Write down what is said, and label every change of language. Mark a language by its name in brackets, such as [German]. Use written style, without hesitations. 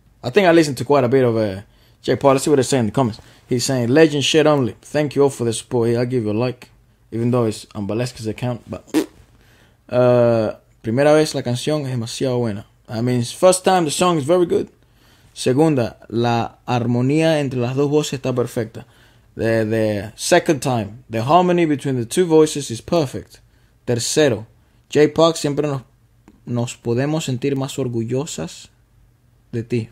[English] I think I listened to quite a bit of Jake Park. Let's see what they say in the comments. He's saying, legend shit only. Thank you all for the support. Hey, I'll give you a like. Even though it's on Baleska's account, but... [Spanish] primera vez la canción es demasiado buena. [English] I mean, it's first time the song is very good. [Spanish] Segunda, la armonía entre las dos voces está perfecta. [English] The second time, the harmony between the two voices is perfect. [Spanish] Tercero, Jay Park siempre nos podemos sentir más orgullosas de ti.